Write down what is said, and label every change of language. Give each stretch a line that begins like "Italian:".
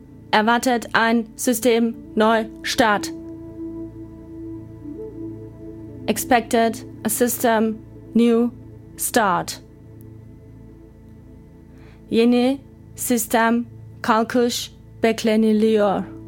German: Erwartet ein System Neustart.
English: Expected a system new start.
Turkish: Yeni sistem kalkış bekleniliyor.